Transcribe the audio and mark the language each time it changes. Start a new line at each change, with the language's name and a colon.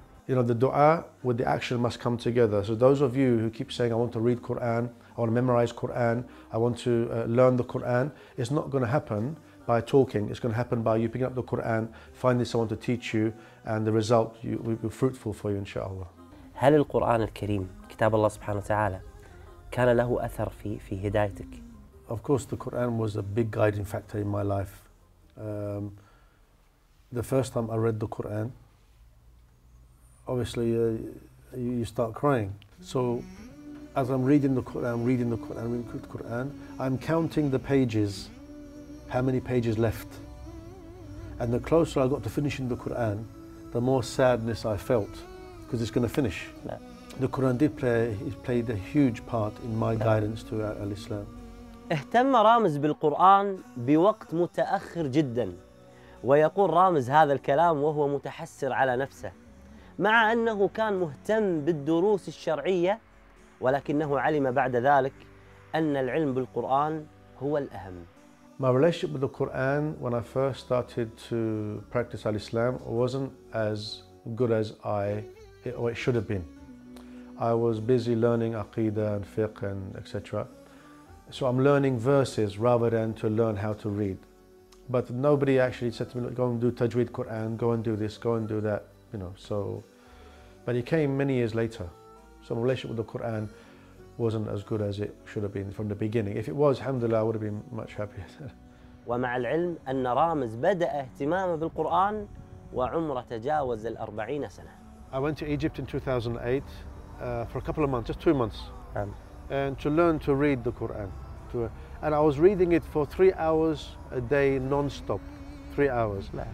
English: You know, the dua with the action must come together. So those of you who keep saying, I want to read Quran, I want to memorize Quran, I want to learn the Quran, it's not going to happen by talking. It's going to happen by you picking up the Quran, finding someone to teach you, and the result will be fruitful for you, inshallah.
Arabic: هل القرآن الكريم كتاب الله سبحانه وتعالى كان له أثر في هدايتك؟
English: Of course the Quran was a big guiding factor in my life. The first time I read the Quran, obviously you start crying. So as I'm reading the Quran, I'm counting the pages, how many pages left. And the closer I got to finishing the Quran, the more sadness I felt. Because it's going to finish. No. The Quran did played a huge part in my guidance to Islam.
Arabic: اهتم رامز بالقرآن بوقت متأخر جدا ويقول رامز هذا الكلام وهو متحسر على نفسه مع أنه كان مهتم بالدروس الشرعية ولكنه علم بعد ذلك أن العلم بالقرآن هو الأهم.
English: My relationship with the Quran when I first started to practice Islam wasn't as good as it should have been. I was busy learning aqidah and fiqh and etc. So I'm learning verses rather than to learn how to read. But nobody actually said to me, go and do tajweed Quran, go and do this, go and do that, you know. So, but it came many years later. So my relationship with the Quran wasn't as good as it should have been from the beginning. If it was, alhamdulillah, I would have been much happier.
Arabic: ومع العلم أن رامز بدأ اهتمامه بالقرآن وعمره تجاوز 40 سنة.
English: I went to Egypt in 2008 for a couple of months, just 2 months, and to learn to read the Quran. And I was reading it for 3 hours a day, non-stop, 3 hours.